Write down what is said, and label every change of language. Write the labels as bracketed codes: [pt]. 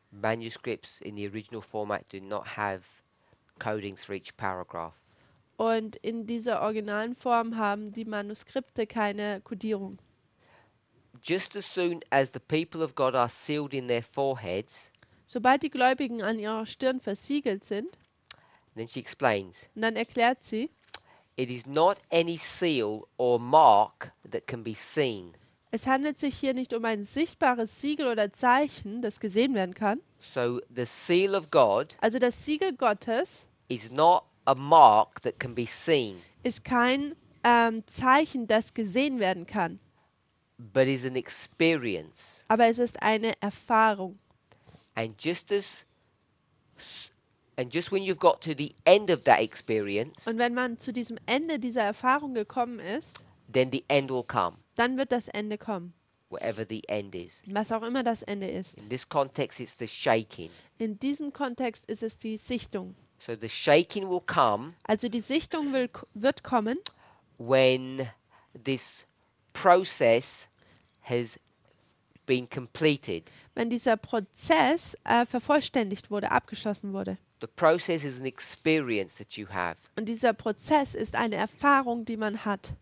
[en] Manuscripts in the original format do not have codings for each paragraph. [de] Und in dieser originalen Form haben die Manuskripte keine Kodierung. [en] Just as soon as the people of God are sealed in their foreheads, [de] sobald die Gläubigen an ihrer Stirn versiegelt sind, [en] then she explains, [de] und dann erklärt sie, [en] it is not any seal or mark that can be seen. [de] Es handelt sich hier nicht um ein sichtbares Siegel oder Zeichen, das gesehen werden kann. [en] So the seal of God, [de] also das Siegel Gottes, [en] is not a mark that can be seen, [de] ist kein Zeichen, das gesehen werden kann. [en] But is an experience. [de] Aber es ist eine Erfahrung. [en] And just as and just when you've got to the end of that experience, [de] und wenn man zu diesem Ende dieser Erfahrung gekommen ist, [en] then the end will come. [de] Dann wird das Ende kommen. [en] Whatever the end is. [de] Was auch immer das Ende ist. [en] In this context it's the shaking. [de] In diesem Kontext ist es die Sichtung. [en] So the shaking will come. [de] Also die Sichtung wird kommen, [en] when this process has been completed. [de] Wenn dieser Prozess vervollständigt wurde, abgeschlossen wurde. [en] The process is an experience that you have. [de] Und dieser Prozess ist eine Erfahrung, die man hat.